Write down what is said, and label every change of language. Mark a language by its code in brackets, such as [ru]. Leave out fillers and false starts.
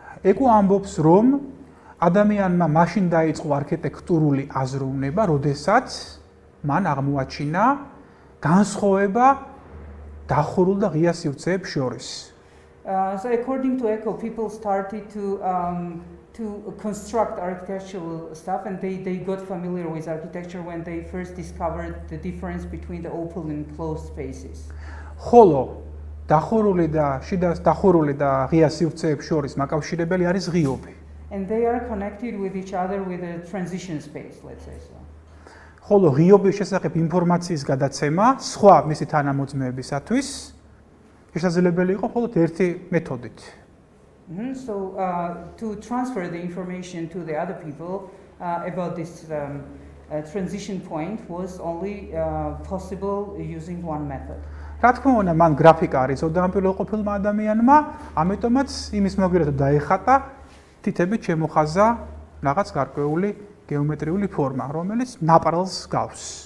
[ka] ეკო ამბობს, რომ ადამიანმა მაშინ დაიწყო არქიტექტურული აზროვნება, როდესაც მან აღმოაჩინა განსხვავება დახურულ და ღია სივრცეებს შორის. [en] So according to Eco, people started to construct architectural stuff and they got familiar with architecture when they first discovered the difference between the open and closed spaces. [ka] ხოლო დახურული და შიდა დახურული და ღია სივრცეებს შორის მაკავშირებელი არის ღიობი. [en] And they are connected with each other with a transition space, let's say so. [ka] ხოლო ღიობის შესახებ ინფორმაციის გადაცემა სხვა მისი თანამოძმეებისათვის შესაძლებელი იყო მხოლოდ ერთი მეთოდით. Mm-hmm. [en] So to transfer the information to the other people about this transition point was only possible using one method. [ka] რა თქმა უნდა, მან გრაფიკა არისოდა ამ პირველყოფილმა ადამიანმა, ამიტომაც იმის მოგვიერთად დაეხატა თითები ჩემოხაზა რაღაც გარკვეული გეომეტრიული ფორმა, რომელიც ნაპრალს გავს.